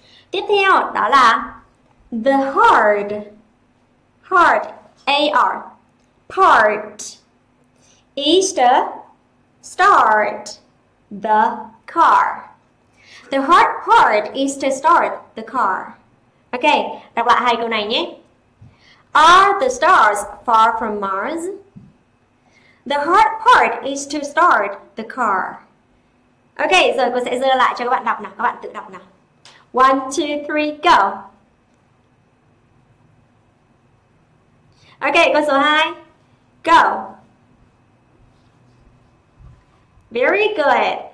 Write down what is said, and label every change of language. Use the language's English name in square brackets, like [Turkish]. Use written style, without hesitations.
[Vietnamese] Tiếp theo đó là [English] the hard, hard, A-R, part, is to start the car. The hard part is to start the car. [Vietnamese] Ok, đọc lại hai câu này nhé. [English] Are the stars far from Mars? The hard part is to start the car. [Vietnamese] Ok, rồi cô sẽ dơ lại cho các bạn đọc nào. Các bạn tự đọc nào. 1, 2, 3, go. Ok, câu số 2. Go. [English] Very good.